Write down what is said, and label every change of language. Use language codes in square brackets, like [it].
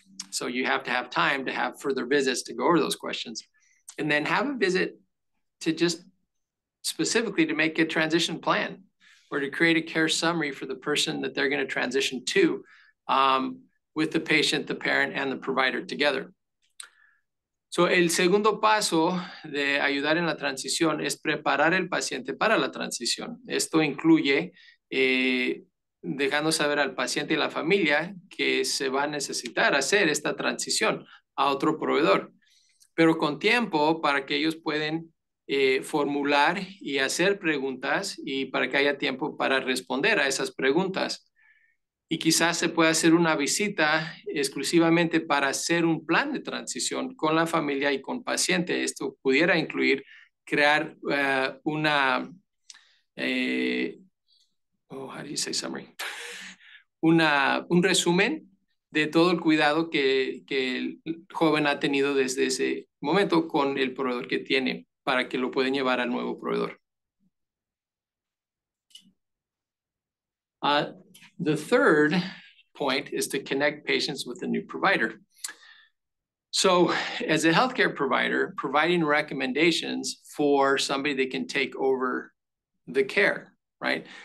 [en] So you have to have time to have further visits to go over those questions. And then have a visit to just specifically to make a transition plan or to create a care summary for the person that they're going to transition to with the patient, the parent, and the provider together. [es] So el segundo paso de ayudar en la transición es preparar el paciente para la transición. Esto incluye dejando saber al paciente y la familia que se va a necesitar hacer esta transición a otro proveedor, pero con tiempo para que ellos puedan formular y hacer preguntas y para que haya tiempo para responder a esas preguntas. Y quizás se pueda hacer una visita exclusivamente para hacer un plan de transición con la familia y con paciente. Esto pudiera incluir crear un resumen de todo el cuidado que el joven ha tenido desde ese momento con el proveedor que tiene para que lo pueden llevar al nuevo proveedor. [en] The third point is to connect patients with a new provider. So as a healthcare provider, providing recommendations for somebody that can take over the care, right?